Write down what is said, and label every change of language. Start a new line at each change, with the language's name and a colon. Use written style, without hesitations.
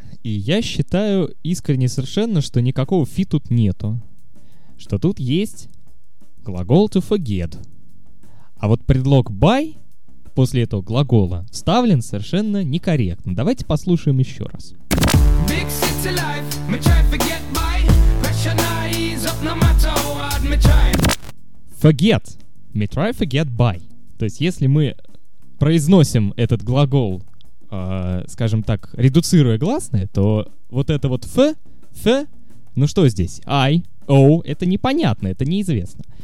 Russian: Да, и я считаю искренне совершенно, что никакого «фи» тут нету, что тут есть глагол
English: «to forget».
Russian: А вот предлог «by» после этого глагола вставлен совершенно некорректно. Давайте послушаем еще раз.
English: Big city life, me try forget by. Pressure nice up, no matter what me try. Forget. Me try forget by.
Russian: То есть если мы произносим этот глагол, скажем так, редуцируя гласные, то вот это вот «ф», ну что здесь? «I», «O» — это непонятно, это неизвестно.